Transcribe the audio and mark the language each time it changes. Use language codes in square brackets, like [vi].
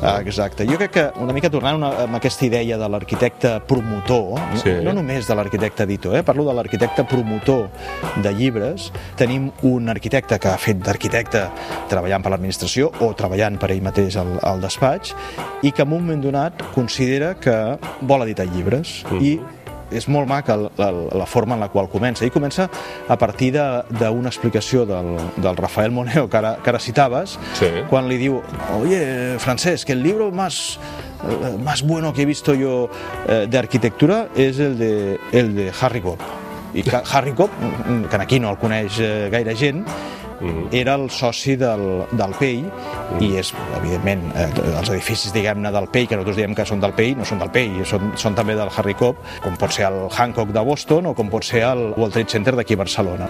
[ca] Ah, exacte, jo crec que una mica tornant amb aquesta idea de l'arquitecte promotor, sí, no només de l'arquitecte editor, parlo de l'arquitecte promotor de llibres, tenim un arquitecte que ha fet d'arquitecte treballant per l'administració o treballant per ell mateix al despatx i que en un moment donat considera que vol editar llibres i és molt maca la forma en la qual comença. I comença a partir d'una explicació del Rafael Moneo, que ara citaves, sí, quan li diu: [es] "Oye, Francesc, que el libro más bueno que he visto yo de arquitectura es el de Harry Cobb". [ca] I Harry Cobb, que aquí no el coneix gaire gent, era el soci del PEI i és, evidentment, els edificis, diguem-ne, del PEI, que nosaltres diem que són del PEI, no són del PEI, són també del Harry Cobb, com pot ser el Hancock de Boston o com pot ser el World Trade Center d'aquí a Barcelona.